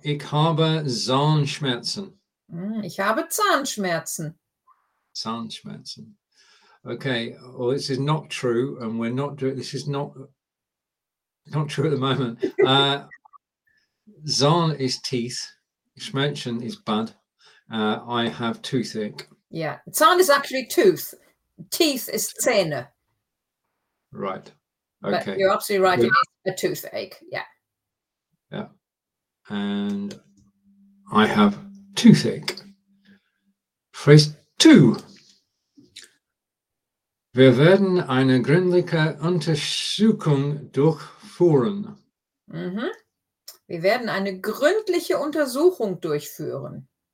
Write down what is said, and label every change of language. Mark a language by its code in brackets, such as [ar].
[de] Ich habe Zahnschmerzen. Ich habe Zahnschmerzen. Zahnschmerzen. [en] Okay, well, this is not true, and we're not doing this. Is not true at the moment. Zahn is teeth, Schmerzen is bad. I have toothache. Yeah, Zahn is actually tooth, teeth is Zähne. Right, okay. But you're absolutely right, it is a toothache. Yeah. Yeah, and I have toothache. Phrase two. [de] Wir werden eine gründliche Untersuchung durchführen. Mhm. Wir werden eine gründliche Untersuchung durchführen.